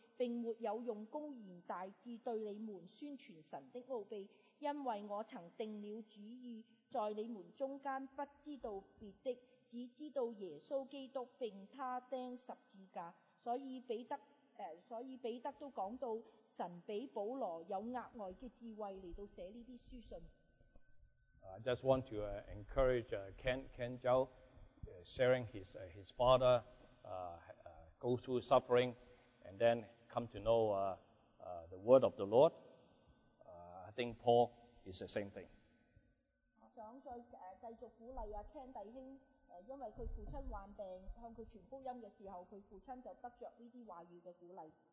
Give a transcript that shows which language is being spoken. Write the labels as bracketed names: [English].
[Chinese] 并没有用公然大志对你们宣传神的奥秘，因为我曾定了主意， 在你们中间不知道别的，只知道耶稣基督并他钉十字架。所以彼得都讲到神比保罗有额外的智慧来到写这些书信。 [English] I just want to encourage Ken Zhou sharing his father go through suffering and then come to know the word of the Lord. I think Paul is the same thing. [Chinese] 想再继续鼓励Ken弟兄，因为他父亲患病，向他传福音的时候，他父亲就得着这些话语的鼓励。